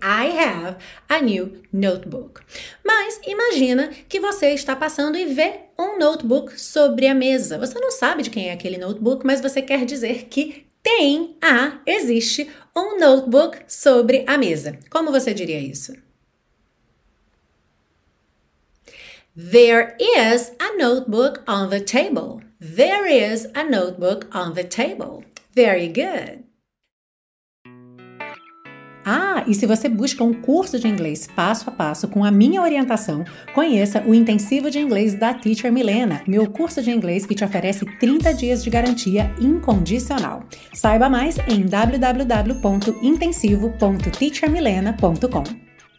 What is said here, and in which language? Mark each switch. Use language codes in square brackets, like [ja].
[en] I have a new notebook. [pt] Mas imagina que você está passando e vê um notebook sobre a mesa. Você não sabe de quem é aquele notebook, mas você quer dizer que tem, existe um notebook sobre a mesa. Como você diria isso? [en] There is a notebook on the table. There is a notebook on the table. Very good. [pt] E se você busca um curso de inglês passo a passo com a minha orientação, conheça o Intensivo de Inglês da Teacher Milena, meu curso de inglês que te oferece 30 dias de garantia incondicional. Saiba mais em www.intensivo.teachermilena.com.